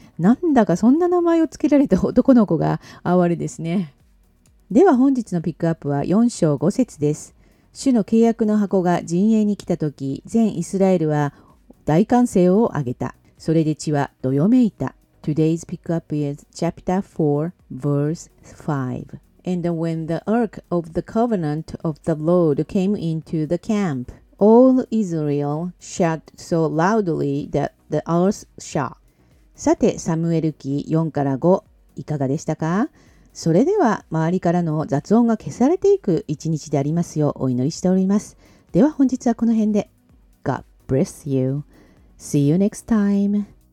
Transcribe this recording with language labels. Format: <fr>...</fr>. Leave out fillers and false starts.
<ja>なんだかそんな名前をつけられた男の子が哀れですね。では本日のピックアップは4章5節です。主の契約の箱が陣営に来た時、全イスラエルは大歓声を上げた。それで血はどよめいた。</ja> <en>Today's pickup is chapter 4, verse 5. And when the ark of the covenant of the Lord came into the camp, all Israel shouted so loudly that the earth shook.</en> <ja>さて、サムエル記4から5、いかがでしたか？それでは、周りからの雑音が消されていく一日でありますよう、お祈りしております。では、本日はこの辺で。</ja> <en>God bless you. See you next time.</en>